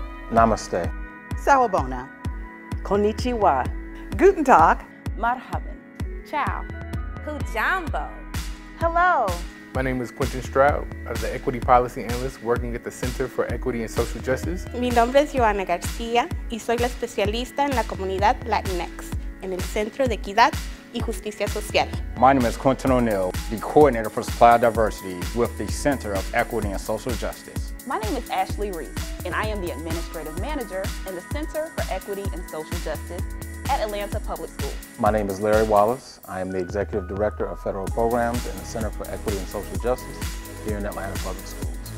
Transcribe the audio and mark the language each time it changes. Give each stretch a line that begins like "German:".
Hindi: Namaste.
Zulu: Sawabona.
Japanese: Konnichiwa.
German: Guten Tag.
Arabic: Marhaban.
Italian: Ciao.
Swahili: Hujambo.
English: Hello. My name is Quentin Stroud, I'm the Equity Policy Analyst working at the Center for Equity and Social Justice.
Spanish: Mi nombre es Joana Garcia, y soy la especialista en la comunidad Latinx, en el Centro de Equidad y Justicia Social.
English: My name is Quentin O'Neill, the Coordinator for Supply Diversity with the Center of Equity and Social Justice. My name is Ashley Reese, and I am the Administrative Manager in the Center for Equity and Social Justice at Atlanta Public Schools. My name is Larry Wallace. I am the Executive Director of Federal Programs in the Center for Equity and Social Justice here in Atlanta Public Schools.